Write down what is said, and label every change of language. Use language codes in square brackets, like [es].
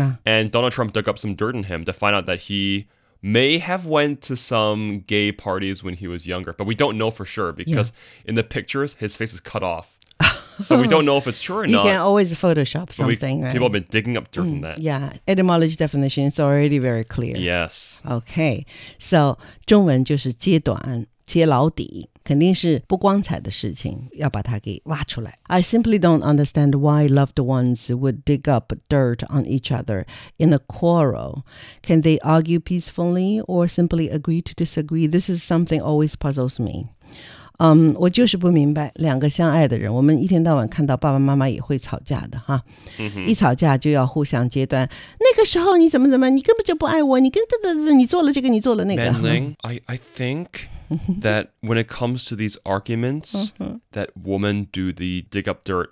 [en] And Donald Trump dug up some dirt in him to find out that he may have went to some gay parties when he was younger. But we don't know for sure because in the pictures, his face is cut off. So we don't know if it's true or you not. You can always Photoshop something, right? People have been digging up dirt in that. Yeah. Etymology definition is already very clear. Yes. Okay. [zh] So, 中文就是揭短、揭老底。肯定是不光彩的事情,要把它给挖出来. [en] I simply don't understand why loved ones would dig up dirt on each other in a quarrel. Can they argue peacefully or simply agree to disagree? This is something always puzzles me. [zh] 我就是不明白两个相爱的人，我们一天到晚看到爸爸妈妈也会吵架的哈。 Mm-hmm. 一吵架就要互相揭短。那个时候你怎么怎么，你根本就不爱我，你跟这这这，你做了这个，你做了那个。 [en] Manling, I think that when it comes to these arguments, that women do the dig up dirt.